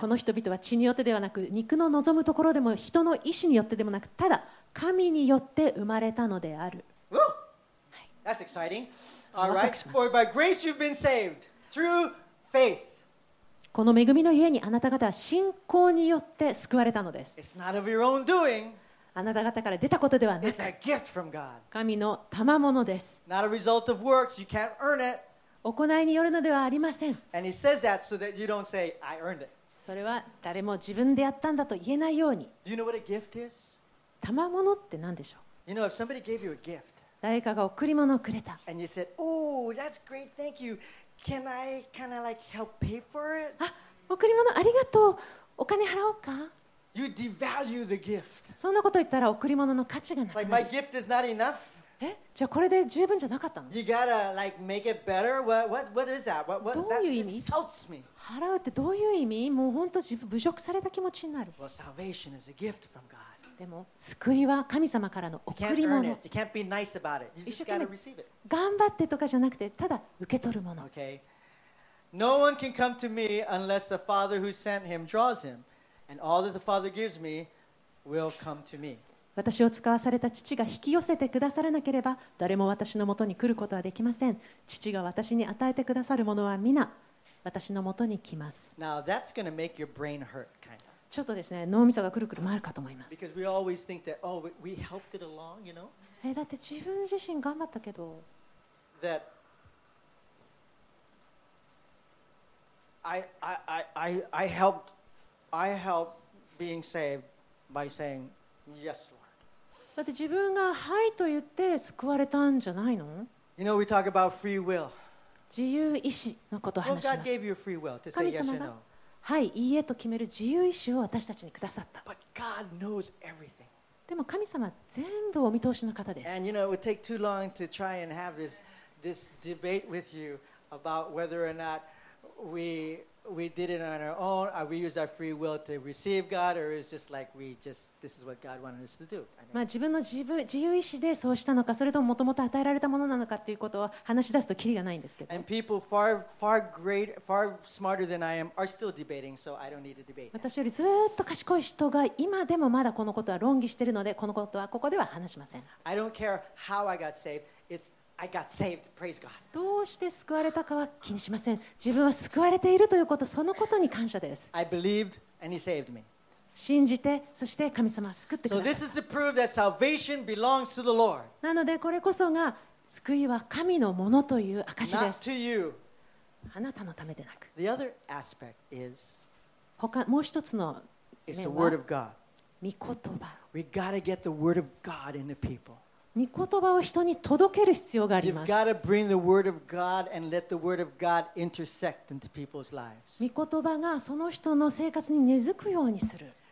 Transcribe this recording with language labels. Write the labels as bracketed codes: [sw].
[ja] この人々は血によってではなく肉の望むところでも人の意思によってでもなくただ神によって生まれたのである、 [en] はい、That's exciting. All right. For by grace you've been saved through faith. [ja] この恵みのゆえにあなた方は信仰によって救われたのです [en] It's not of your own doing. [ja] あなた方から出たことではなく [en] It's a gift from God. [ja] 神の賜物です [en] Not a result of works. You can't earn it. [ja] 行いによるのではありません。 [en] And he says that so that you don't say, I earned it. [ja] それは誰も自分でやったんだと言えないように。 [en] Do you know what a gift is? [ja] 賜物って何でしょう? [en] You know, if somebody gave you a gift, [ja] 誰かが贈り物をくれた。 [en] And you said, oh, that's great, thank you. Can I kind of like help pay for it? [ja] あ、贈り物ありがとう。お金払おうか。 [en] You devalue the gift. [ja] そんなこと言ったら贈り物の価値がなくなる。 [en] Like my gift is not enough. [ja] え、じゃあこれで十分じゃなかったの？ [en] You gotta like make it better. What is that? [ja] どういう意味？ [en] That insults me. [ja] 払うってどういう意味？もう本当自分侮辱された気持ちになる。 [en] Well, salvation is a gift from God. [ja] でも救いは神様からの贈り物。 [en] You can't be nice about it. You just gotta receive it. [ja] 頑張ってとかじゃなくて、ただ受け取るもの。 [en] Okay. No one can come to me unless the Father who sent him draws him, and all that the Father gives me will come to me. [ja] 私を使わされた父が引き寄せてくださらなければ誰も私のもとに来ることはできません。父が私に与えてくださるものは皆私のもとに来ます。 [en] Now, that's gonna make your brain hurt, kind of. [ja] ちょっとですね、脳みそがくるくる回るかと思います。 [en] Because we always think that, oh, we helped it along, you know? [ja] え、だって自分自身頑張ったけど、 [en] that I helped being saved by saying yes. [ja] だって自分がはいと言って救われたんじゃないの？ [en] You know, we talk about free will. [ja] 自由意志のことを話します。 [en] Well, God gave you free will to say yes or no. [ja] 神様がはい、いいえと決める自由意志を私たちにくださった。 [en] But God knows everything. [ja] でも神様全部お見通しの方です。 [en] And you know, it would take too long to try and have this debate with you about whether or not we did it on our own. We used our free will to receive God, or is just like we just this is what God wanted us to do. [ja] まあ自分の自由意志でそうしたのか、それとももともと与えられたものなのかということを話し出すとキリがないんですけど。 [en] And people far smarter than I am are still debating, so I don't need to debate. [ja] 私よりずっと賢い人が今でもまだこのことは論議しているので、このことはここでは話しません。 [en] I don't care how I got saved. It'sI got saved. Praise God. [ja] どうして救われたかは気にしません。自分は救われているということ、そのことに感謝です。 [en] I believed and he saved me. [ja] 信じて、そして神様は救ってくださった。 [en] So this is the proof that salvation belongs to the Lord. [ja] なのでこれこそが救いは神のものという証です。 [en] Not to you. [ja] あなたのためでなく。 [en] The other aspect is [ja] もう一つの面は [en] It's the word of God. [ja] 御言葉。 [en] We gotta get the word of God in the people. [ja] 御言葉を人に届ける必要があります。 [en] You've got to bring the word of God and let the word of God intersect into people's lives. [ja] 御言葉がその人の生活に根付くようにする。